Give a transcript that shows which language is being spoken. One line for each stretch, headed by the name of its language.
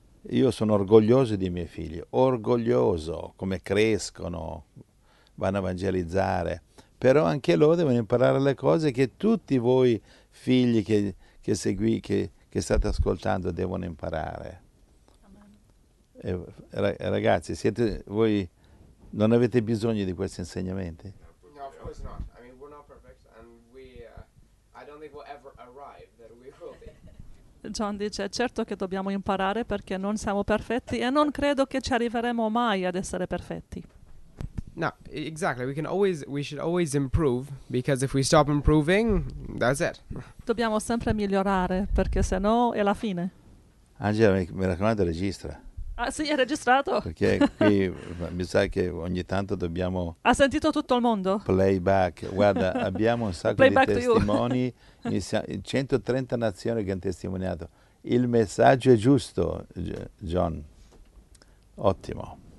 Italian: Io sono orgoglioso dei miei figli, orgoglioso come crescono, vanno a evangelizzare, però anche loro devono imparare le cose che tutti voi figli che state ascoltando devono imparare. E ragazzi, siete voi, non avete bisogno di questi insegnamenti?
English: No, of course not. I mean, we're not perfect and we I don't think we'll ever arrive that we will be.
Italian: John dice, certo che dobbiamo imparare perché non siamo perfetti e non credo che ci arriveremo mai ad essere perfetti.
English: No, exactly. We should always improve, because if we stop improving, that's it.
Italian: Dobbiamo sempre migliorare, perché se no è la fine. Angela, mi raccomando, registra. Ah, sì, è registrato. Perché qui mi sa che ogni tanto dobbiamo... Ha sentito tutto il mondo? Playback. Guarda, abbiamo un sacco di testimoni. 130 nazioni che hanno testimoniato. Il messaggio è giusto, John. Ottimo.